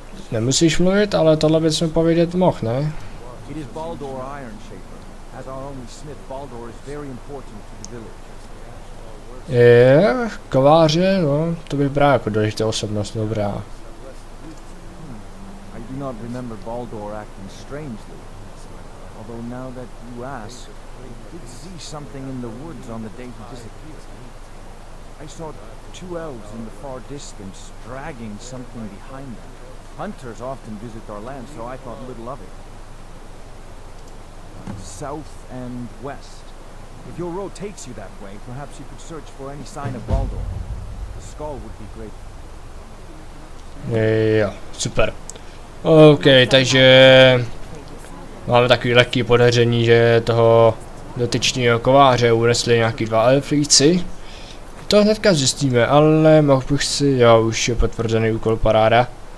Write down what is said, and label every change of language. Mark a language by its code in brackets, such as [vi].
[cs] Nemusíš mluvit, ale tohle bys mi povědět mohl, ne? [en] It is Baldur Iron Shaper. As our only smith, Baldur is very important to the village. [cs] Kováře, no, to bych bral jako důležitou osobnost, dobrá. [en] I do not remember Baldur acting strangely. Although now that you ask, I did see something in the woods on the day he disappeared. I saw two elves in the far distance dragging something behind them. Hunters often visit our land, so I thought little of it. South and west. If your road takes you that way, perhaps you could search for any sign of Baldur. The skull would be great. Yeah, super. [cs] OK, takže máme takový lehký podezření, že toho dotyčného kováře unesli nějaký dva elflíci. To hnedka zjistíme, ale mohl bych si, jo, už je potvrzený úkol, paráda.